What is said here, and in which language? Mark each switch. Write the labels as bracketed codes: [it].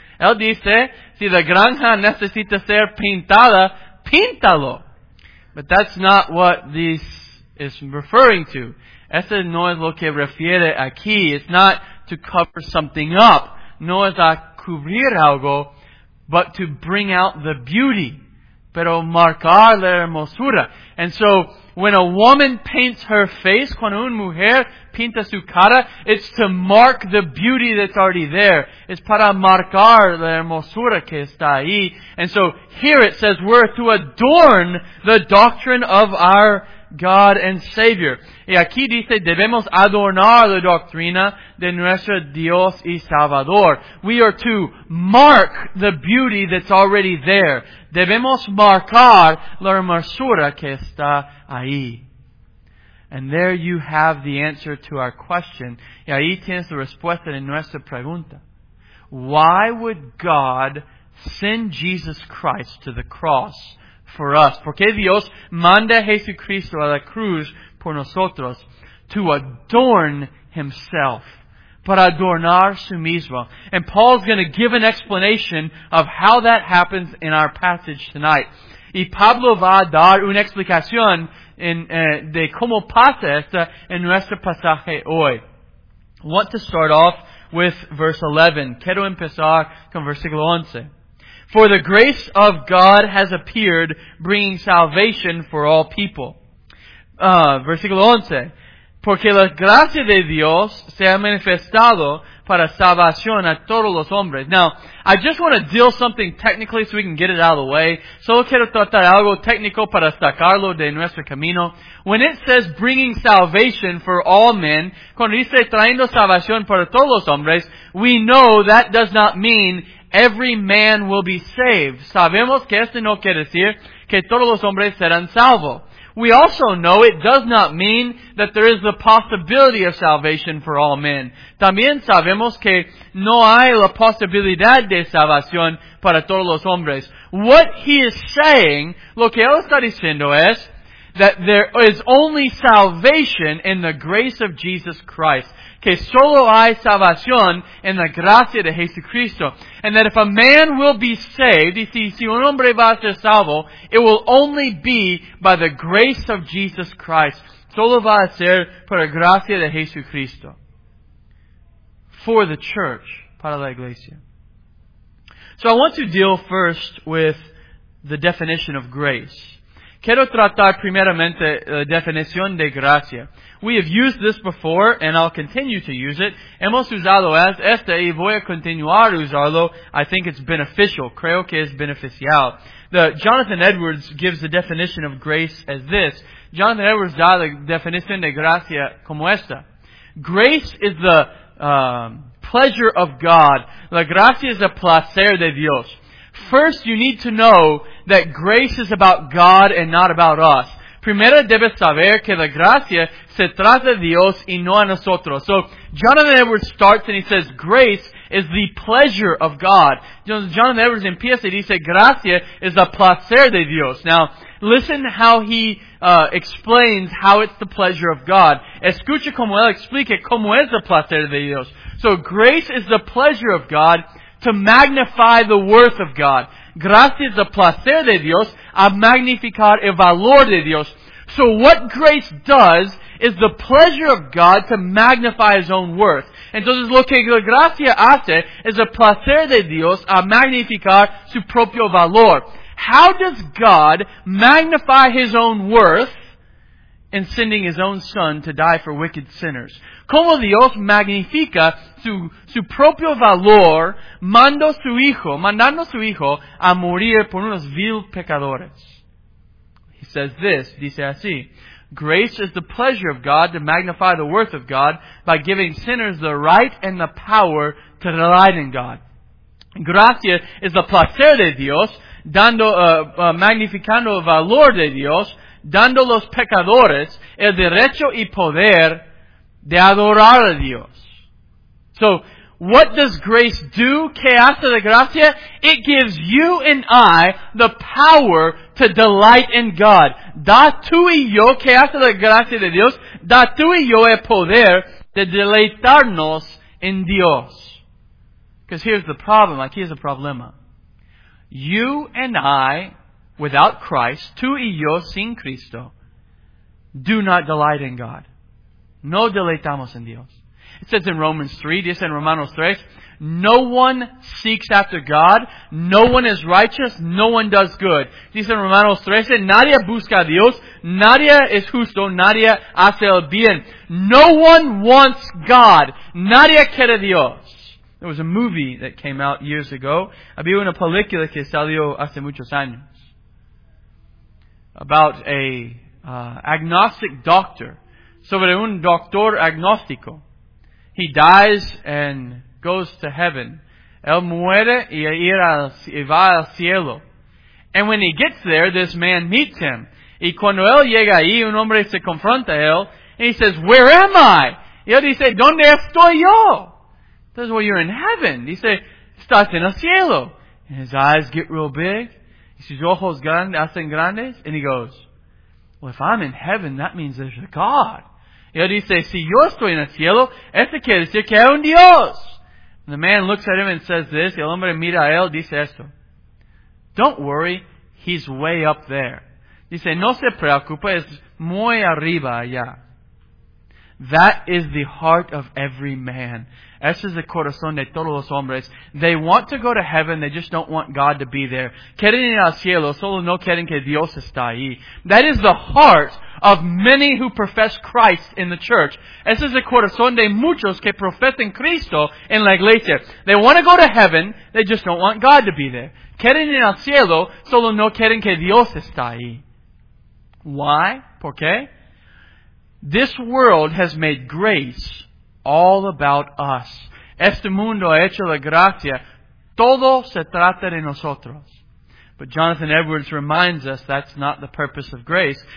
[es] Él dice, si la granja necesita ser pintada, píntalo. [en] But that's not what this is referring to. [es] Ese no es lo que refiere aquí. [en] It's not to cover something up. [es] No es a cubrir algo, [en] but to bring out the beauty. [es] Pero marcar la hermosura. [en] And so, when a woman paints her face, [es] cuando una mujer pinta su cara, [en] it's to mark the beauty that's already there. It's [es] para marcar la hermosura que está ahí. [en] And so, here it says, we're to adorn the doctrine of our God and Savior. [es] Y aquí dice, debemos adornar la doctrina de nuestro Dios y Salvador. [en] We are to mark the beauty that's already there. [es] Debemos marcar la hermosura que está ahí. [en] And there you have the answer to our question. [es] Y ahí tienes la respuesta en nuestra pregunta. [en] Why would God send Jesus Christ to the cross for us? [es] ¿Por qué Dios manda a Jesucristo a la cruz por nosotros? [en] To adorn himself. [es] Para adornar su mismo. [en] And Paul's going to give an explanation of how that happens in our passage tonight. [es] Y Pablo va a dar una explicación de cómo pasa esta en nuestro pasaje hoy. [en] Want to start off with verse 11. [es] Quiero empezar con versículo 11. [en] For the grace of God has appeared, bringing salvation for all people. [es] Versículo 11. Porque la gracia de Dios se ha manifestado para salvación a todos los hombres. [en] Now, I just want to deal something technically so we can get it out of the way. [es] Solo quiero tratar algo técnico para sacarlo de nuestro camino. [en] When it says bringing salvation for all men, [es] cuando dice trayendo salvación para todos los hombres, [en] we know that does not mean every man will be saved. [es] Sabemos que esto no quiere decir que todos los hombres serán salvos. [en] We also know it does not mean that there is the possibility of salvation for all men. [es] También sabemos que no hay la posibilidad de salvación para todos los hombres. [en] What he is saying, [es] lo que él está diciendo es, [en] that there is only salvation in the grace of Jesus Christ. [es] Que solo hay salvación en la gracia de Jesucristo. [en] And that if a man will be saved, [es] y si un hombre va a ser salvo, [en] it will only be by the grace of Jesus Christ. [es] Solo va a ser por la gracia de Jesucristo. [en] For the church, [es] para la iglesia. [en] So I want to deal first with the definition of grace. [es] Quiero tratar primeramente la definición de gracia. [en] We have used this before, and I'll continue to use it. [es] Hemos usado esta, y voy a continuar a usarlo. [en] I think it's beneficial. [es] Creo que es beneficial. [en] Jonathan Edwards gives the definition of grace as this. [es] Jonathan Edwards da la definición de gracia como esta. [en] Grace is the pleasure of God. [es] La gracia es el placer de Dios. [en] First, you need to know that grace is about God and not about us. [es] Primero debes saber que la gracia se trata de Dios y no a nosotros. [en] So, Jonathan Edwards starts and he says, grace is the pleasure of God. [es] Jonathan Edwards empieza y dice, gracia es el placer de Dios. [en] Now, listen how he explains how it's the pleasure of God. [es] Escucha como él explica cómo es el placer de Dios. [en] So, grace is the pleasure of God to magnify the worth of God. [es] Gracia es el placer de Dios a magnificar el valor de Dios. [en] So what grace does is the pleasure of God to magnify His own worth. [es] Entonces lo que la gracia hace es el placer de Dios a magnificar su propio valor. [en] How does God magnify His own worth in sending His own Son to die for wicked sinners? [es] ¿Cómo Dios magnifica su propio valor mandando su hijo a morir por unos vil pecadores? [en] He says this, [es] dice así, [en] grace is the pleasure of God to magnify the worth of God by giving sinners the right and the power to delight in God. [es] Gracia es el placer de Dios, magnificando el valor de Dios, dando a los pecadores el derecho y poder de adorar a Dios. [en] So, what does grace do? [es] ¿Qué hace la gracia? [en] It gives you and I the power to delight in God. [es] Da tú y yo, ¿qué hace la gracia de Dios? Da tú y yo el poder de deleitarnos en Dios. [en] Because here's the problem, like here's a problema. You and I, without Christ, [es] tú y yo sin Cristo, [en] do not delight in God. [es] No deleitamos en Dios. [en] It says in Romans 3, [es] dice en Romanos 3, [en] no one seeks after God, no one is righteous, no one does good. [es] Dice en Romanos 13, nadie busca a Dios, nadie es justo, nadie hace el bien. [en] No one wants God, [es] nadie quiere Dios. [en] There was a movie that came out years ago. [es] Había una película que salió hace muchos años. [en] About a agnostic doctor. [es] Sobre un doctor agnóstico. [en] He dies and goes to heaven. [es] Él muere y va al cielo. [en] And when he gets there, this man meets him. [es] Y cuando él llega ahí, un hombre se confronta a él. [en] And he says, where am I? [es] Y él dice, ¿dónde estoy yo? [en] He says, well, you're in heaven. He says, [es] estás en el cielo. [en] And his eyes get real big. [es] Y sus ojos grandes, hacen grandes. [en] And he goes, well, if I'm in heaven, that means there's a God. [es] Y él dice, si yo estoy en el cielo, este quiere decir que hay un Dios. [en] And the man looks at him and says this, [es] y el hombre mira a él, dice esto. [en] Don't worry, he's way up there. [es] Dice, no se preocupe, es muy arriba allá. [en] That is the heart of every man. [es] Ese es el corazón de todos los hombres. [en] They want to go to heaven, they just don't want God to be there. [es] Quieren ir al cielo, solo no quieren que Dios está ahí. [en] That is the heart of many who profess Christ in the church. [es] Ese es el corazón de muchos que profesan Cristo en la iglesia. [en] They want to go to heaven, they just don't want God to be there. [es] Quieren ir al cielo, solo no quieren que Dios está ahí. [en] Why? [es] ¿Por qué? [en] This world has made grace all about us. [es] Este mundo ha hecho la gracia. Todo se trata de nosotros. [en] But Jonathan Edwards reminds us that's not the purpose of grace.